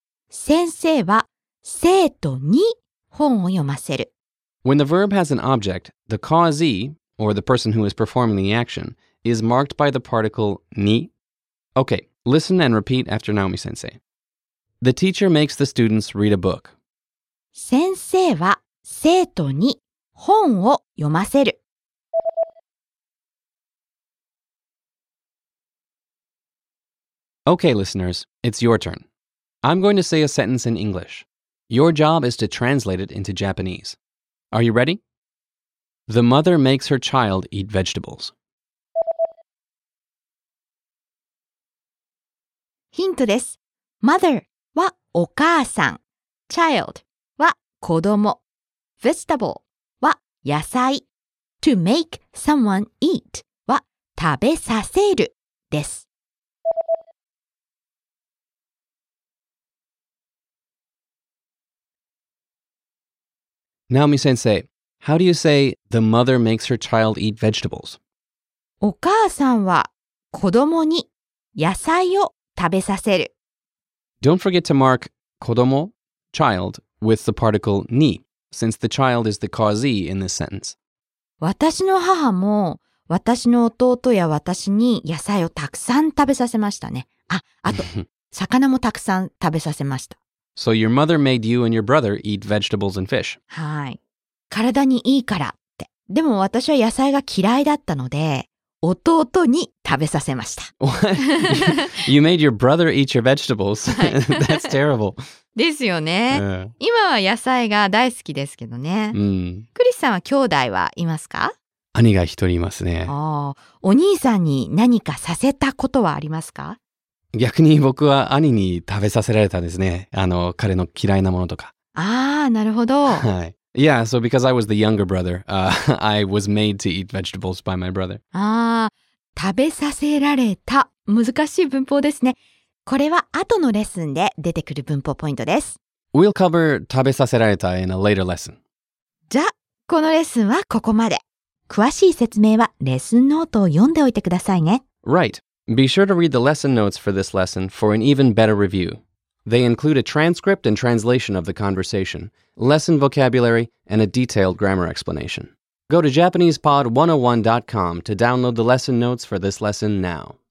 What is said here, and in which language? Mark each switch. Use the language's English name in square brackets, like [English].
[Japanese] 先生は生徒に本を読ませる。 [English] When the verb has an object, the causee, or the person who is performing the action, is marked by the particle に. Okay, listen and repeat after Naomi-sensei. The teacher makes the students read a book. 先生は生徒に本を読ませる。 Okay, listeners, it's your turn. I'm going to say a sentence in English. Your job is to translate it into Japanese. Are you ready? The mother makes her child eat vegetables. [Japanese] ヒントです。Mother はお母さん。 Child は子供。Vegetable は野菜。 To make someone eat は食べさせるです。 [English] Naomi-sensei, how do you say the mother makes her child eat vegetables? [Japanese] お母さんは子供に野菜を食べさせる。 [English] Don't forget to mark 子供 child, with the particle に, since the child is the causee in this sentence. [Japanese] 私の母も私の弟や私に野菜をたくさん食べさせましたね。あ、あと、魚もたくさん食べさせました。 [English] So your mother made you and your brother eat vegetables and fish. [Japanese] はい。体にいいからって。でも私は野菜が嫌いだったので、弟に食べさせました。 [English] What? You made your brother eat your vegetables? That's terrible. [Japanese] ですよね。今は野菜が大好きですけどね。クリスさんは兄弟はいますか？兄が一人いますね。お兄さんに何かさせたことはありますか？逆に僕は兄に食べさせられたんですね。彼の嫌いなものとか。ああ、なるほど。はい。 [English] Yeah, so because I was the younger brother, I was made to eat vegetables by my brother. [Japanese] ああ、食べさせられた。難しい文法ですね。これは後のレッスンで出てくる文法ポイントです。 [English] We'll cover 食べさせられた in a later lesson. [Japanese] じゃあ、このレッスンはここまで。詳しい説明はレッスンノートを読んでおいてくださいね。 [English] Right. Be sure to read the lesson notes for this lesson for an even better review. They include a transcript and translation of the conversation, lesson vocabulary, and a detailed grammar explanation. Go to JapanesePod101.com to download the lesson notes for this lesson now.